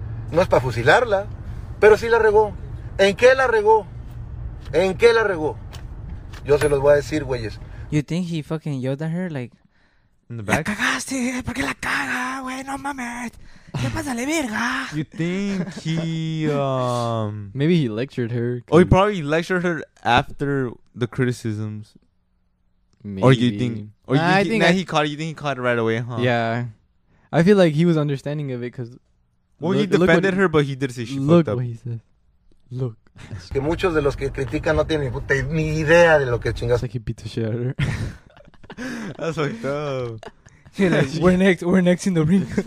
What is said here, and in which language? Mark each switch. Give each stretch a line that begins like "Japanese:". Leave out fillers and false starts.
Spanish: No es para fusilarla, pero sí la regó. ¿En qué la regó? ¿En qué la regó? Yo se los voy a decir, güeyes.
English: You think he fucking yelled at her, like, in the back?
Spanish: La cagaste, ¿por qué la caga, güey? No mames. ¿Qué pasa, le verga?
English: You think he, maybe he lectured her. Oh, he probably lectured her after the criticisms. Maybe. You think he caught it right away, huh? Yeah. I feel like he was understanding of it, because... Well, he defended her, but he did say she fucked up. Look what he said. Look.
Spanish: Que muchos de los que critican no tienen ni idea de lo que chingas.
English: It's like he beat the shit out of her. That's fucked up. Like, we're next in the ring.